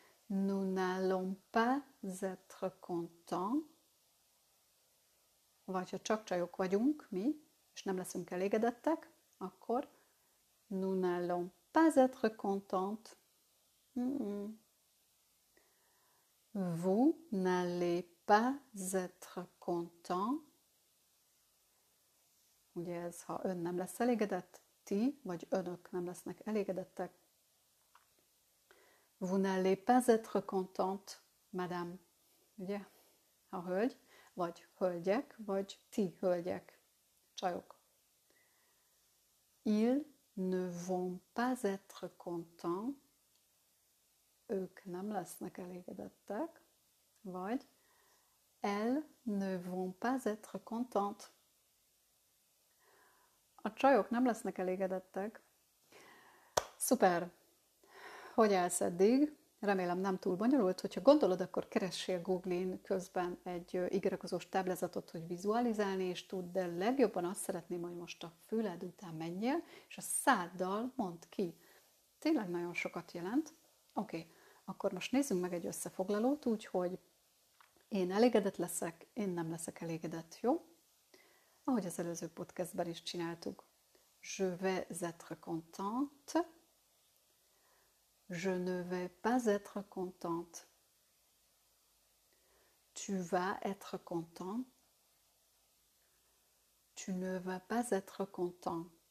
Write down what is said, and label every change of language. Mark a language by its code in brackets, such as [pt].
[fr] Nous n'allons pas être contents. [hu] Vagy ha csak csajok vagyunk, mi, és nem leszünk elégedettek, akkor [fr] nous n'allons pas être contente. Vous n'allez pas être content. [hu] Ugye ez, ha ön nem lesz elégedett, ti vagy önök nem lesznek elégedettek. [fr] Vous n'allez pas être contente, madame. [hu] Ugye? A hölgy, vagy hölgyek, vagy ti hölgyek, csajok. [fr] Ils ne vont pas être contents. [hu] Ők nem lesznek elégedettek, vagy [fr] elles ne vont pas être contentes. [hu] A csajok nem lesznek elégedettek. Szuper! Hogy állsz eddig? Remélem nem túl bonyolult. Hogyha gondolod, akkor keressél Google-in közben egy igerekozós táblázatot, hogy vizualizálni is tud, de legjobban azt szeretném, hogy most a füled után menjél, és a száddal mondd ki. Tényleg nagyon sokat jelent. Oké, akkor most nézzünk meg egy összefoglalót, úgyhogy én elégedett leszek, én nem leszek elégedett, jó? Ahogy az előző podcastben is csináltuk. [fr] Je vais être contente. Je ne vais pas être contente. Tu vas être content. Tu ne vas pas être content.